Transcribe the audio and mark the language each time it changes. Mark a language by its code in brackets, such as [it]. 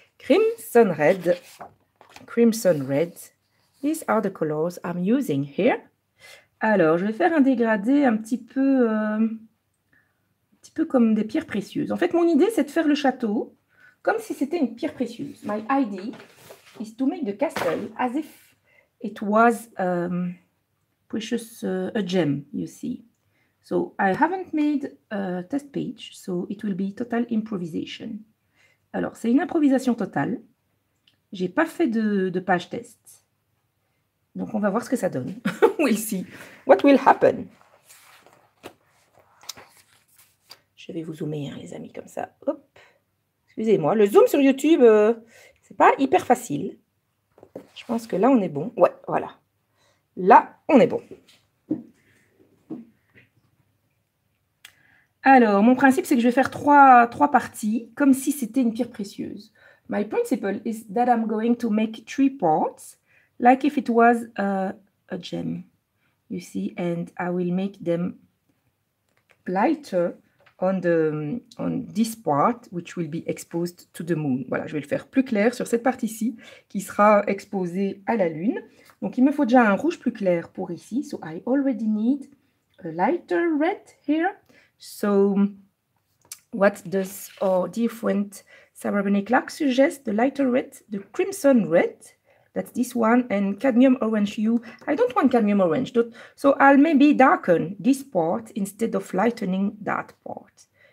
[en] Crimson Red. Crimson Red. These are the colors I'm using here. [fr] Alors, je vais faire un dégradé un petit peu... comme des pierres précieuses. En fait, mon idée, c'est de faire le château comme si c'était une pierre précieuse. [en] My idea is to make the castle as if it was precious a gem, you see. So, I haven't made a test page, so it will be total improvisation. [fr] Alors, c'est une improvisation totale. J'ai pas fait de page test. Donc, on va voir ce que ça donne. [en] We'll see. What will happen? [fr] Je vais vous zoomer, les amis, comme ça. Hop. Excusez-moi, le zoom sur YouTube, c'est pas hyper facile. Je pense que là, on est bon. Ouais, voilà. Là, on est bon. Alors, mon principe, c'est que je vais faire trois parties, comme si c'était une pierre précieuse. [en] My principle is that I'm going to make three parts, like if it was a gem, you see, and I will make them lighter. On this part, which will be exposed to the moon. [fr] Voilà, je vais le faire plus clair sur cette partie-ci, qui sera exposée à la lune. Donc, il me faut déjà un rouge plus clair pour ici. [en] So, I already need a lighter red here. So, what does our dear friend Sarah Renee Clark suggest? The lighter red, the crimson red. That's this one. And cadmium orange hue. I don't want cadmium orange. So I'll maybe darken this part instead of lightening that part.